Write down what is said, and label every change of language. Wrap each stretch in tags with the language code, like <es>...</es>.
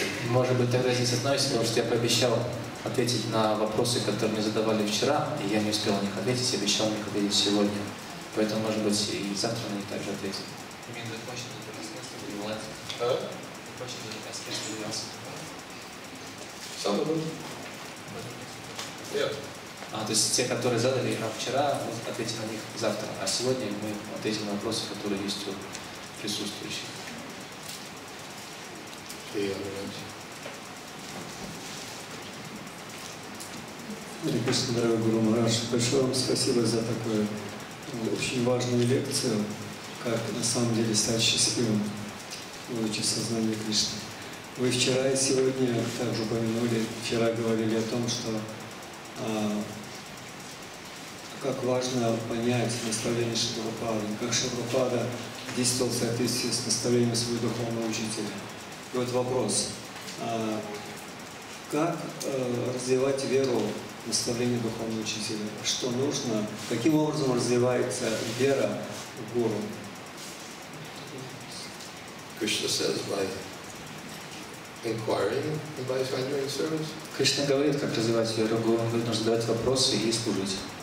<ru>Может быть, тогда здесь относится, потому что я пообещал ответить на вопросы, которые мне задавали вчера, и я не успел на них ответить, я обещал на них ответить сегодня. Поэтому, может быть, и завтра на них также ответить.</ru> <en>You mean the question that was asked for you last? Huh? The question that was asked for you last? Some of them. Yeah.</en> <ru>То есть те, которые задали нам вчера, мы ответим на них завтра. А сегодня мы ответим на вопросы, которые есть у присутствующих.</ru> <en>Okay, I'll answer.</en> <ru>Дорогой Гуру Махарадж, большое вам спасибо за такую очень важную лекцию, как на самом деле стать счастливым в луче сознания Кришны. Вы вчера и сегодня также упомянули, вчера говорили о том, что как важно понять наставление Шрилы, как Шрилы действовал в соответствии с наставлением своего духовного учителя. И вот вопрос, как развивать веру наставление духовного учителя. Что нужно? Каким образом развивается вера в гуру?</ru> <en>Krishna says by inquiring and by rendering service.</en> <ru>Кришна говорит, как развивать веру в гуру. Он говорит, нужно задавать вопросы и служить.</ru>